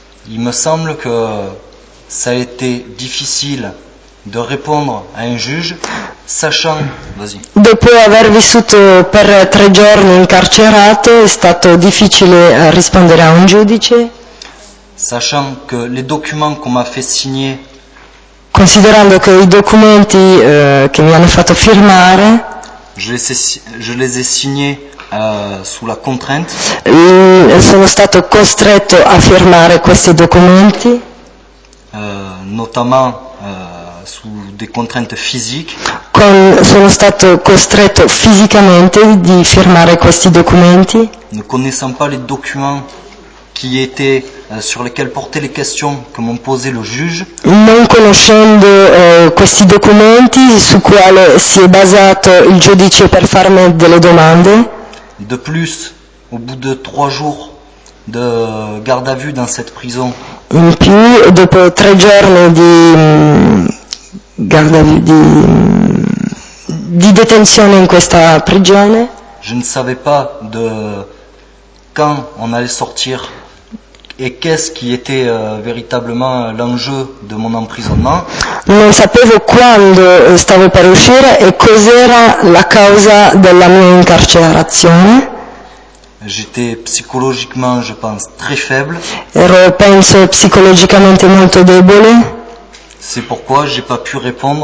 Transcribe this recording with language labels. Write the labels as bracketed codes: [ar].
[fr] Il me semble que ça a été difficile de répondre à un juge, sachant. Vas-y. [it] Dopo aver vissuto per tre giorni incarcerato, è stato difficile rispondere a un giudice. [fr] Sachant que les documents qu'on m'a fait signer. [it] Considerando che i documenti che mi hanno fatto firmare. [fr] Je les ai signés. Sous la contrainte. [it] Sono stato costretto a firmare questi documenti. [fr] Notamment sous des contraintes physiques. [it] Sono stato costretto fisicamente di firmare questi documenti. [fr] Ne connaissant pas les documents qui étaient sur lesquels portaient les questions que m'ont posé le juge. [it] Non conoscendo questi documenti su quale si è basato il giudice per farmi delle domande. [fr] De plus, au bout de trois jours de garde à vue dans cette prison. [it] In più, dopo tre giorni di [fr] garde à vue [it] di detenzione in questa prigione. [fr] Je ne savais pas de quand on allait sortir et qu'est-ce qui était véritablement l'enjeu de mon emprisonnement. [it] Non sapevo quando stavo per uscire e cos'era la causa della mia incarcerazione. [fr] J'étais psychologiquement, je pense, très faible. [it] Ero, penso, psicologicamente molto debole. [fr] C'est pourquoi j'ai pas pu répondre.